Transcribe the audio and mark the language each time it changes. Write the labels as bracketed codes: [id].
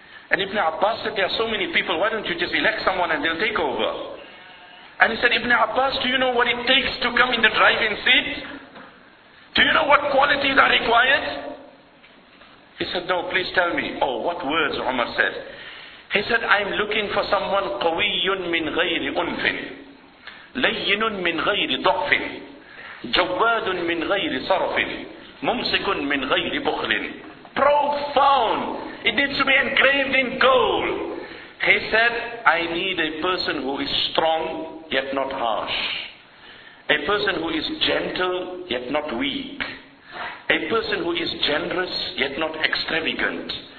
[en] And Ibn Abbas said, there are so many people, why don't you just elect someone and they'll take over? And he said, Ibn Abbas, do you know what it takes to come in the driving seat? Do you know what qualities are required? He said, no, please tell me. Oh, what words Umar said. He said, I'm looking for someone [ar] قَوِيٌّ مِنْ غَيْرِ أُنْفٍ لَيِّنٌ مِنْ غَيْرِ ضَعْفٍ جَوَّادٌ مِنْ غَيْرِ صَرْفٍ مُمْسِكٌ مِنْ غَيْرِ بُخْلٍ. [en] Profound. It needs to be engraved in gold. He said, I need a person who is strong, yet not harsh. A person who is gentle, yet not weak. A person who is generous, yet not extravagant.